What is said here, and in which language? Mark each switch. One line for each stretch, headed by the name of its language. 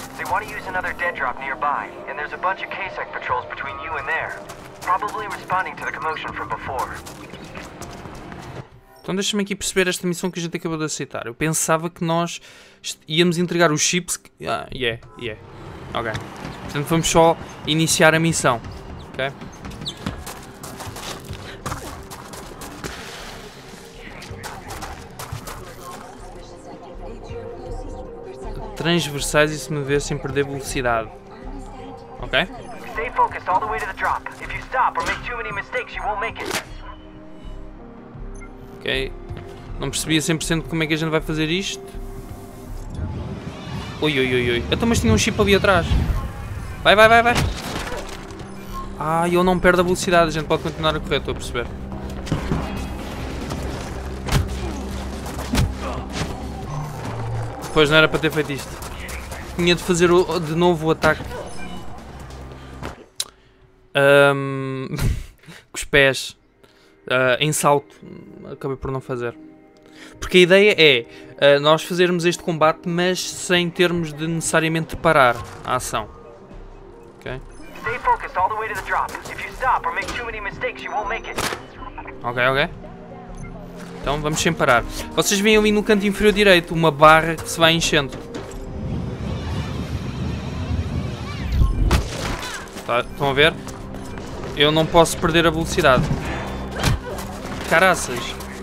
English: They want to use another dead drop nearby, and there's a bunch of KSEC patrols between you and there. Probably responding to the commotion from before.
Portuguese: Então deixa-me aqui perceber esta missão que a gente acabou de aceitar. Eu pensava que nós íamos entregar os chips que...
English: Ah, yeah, yeah.
Portuguese: Ok. Portanto, vamos só iniciar a missão. Ok? Transversais e se me ver sem perder velocidade. Ok?
English: Stay focused all the way to the drop. If you stop or make too many mistakes, you won't make it.
Portuguese: Ok. Não percebi a 100% como é que a gente vai fazer isto. Oi, oi, oi, oi. Até mas tinha um chip ali atrás. Vai, vai, vai, vai. Ah, eu não perdo a velocidade. A gente pode continuar a correr, estou a perceber. Pois não era para ter feito isto. Tinha de fazer de novo o ataque. Com os pés. Em salto. Acabei por não fazer. Porque a ideia é nós fazermos este combate, mas sem termos de necessariamente parar a ação. Ok?
English: Stay focused all the way to the drop. If you stop or make too many mistakes, you won't make it.
Portuguese: Ok, ok. Então vamos sem parar. Vocês veem ali no canto inferior direito uma barra que se vai enchendo. Tá, estão a ver? Eu não posso perder a velocidade. Caraças!